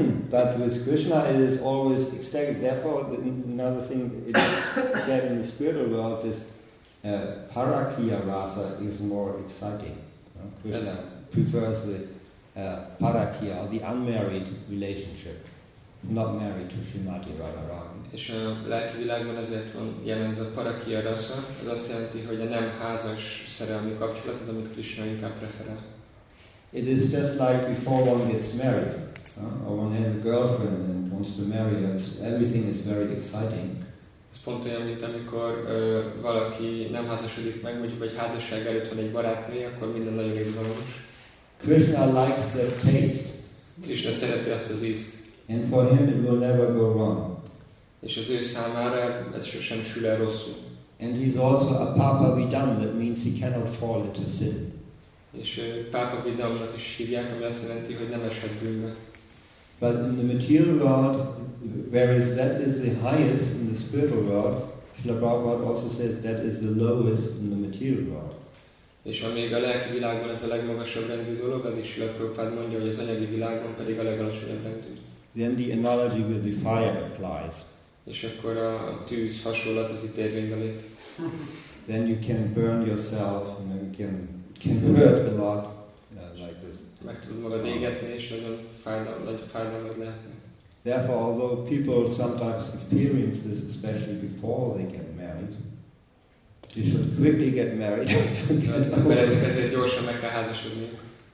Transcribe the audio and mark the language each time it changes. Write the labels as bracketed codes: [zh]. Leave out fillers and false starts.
[en] But with Krishna it is always ecstatic. Therefore another thing it is said in the spiritual world is parakya rasa is more exciting. Krishna prefers the parakya, or the unmarried relationship, not married to Srimati Radharani. [hu] És a lelki világban ezért van jelen ez a parakya rasa, ez azt jelenti, hogy a nem házas szerelmi kapcsolat az, amit Krishna inkább preferál. [en] It is just like before one gets married. One has a girlfriend and wants to marry her, everything is very exciting. [hu] Ez pont olyan, mint amikor valaki nem házasodik meg, mondjuk egy házasság előtt van egy barátnője, akkor minden nagyon izgalmas. [en] Krishna likes the taste. [hu] Krishna szereti azt az ízt. [en] And for him it will never go wrong. [hu] És az ő számára ez sosem sül el rosszul. [en] And he's also a papa vidam, that means he cannot fall into sin. [hu] És papa vidamnak is hívják, ami azt jelenti, hogy nem eshet bűnbe. [en] But in the material world, whereas that is the highest in the spiritual world, Srila Prabhupada also says that is the lowest in the material world. [hu] És amíg a lelki világban ez a legmagasabb rendű dolog, addig Srila Prabhupada mondja, hogy az anyagi világban pedig a legalacsonyabb rendű. [en] Then the analogy with the fire applies. [hu] És akkor a tűz hasonlat az itt érvényben lép. [en] Then you can burn yourself, and you can hurt a lot. [hu] Meg tudod magad égetni, és nagyon nagy fájdalmad lehetne. [en] Therefore, although people sometimes experience this, especially before they get married, they should quickly get married. [hu] Emberek ezért gyorsan meg kell házasodniuk.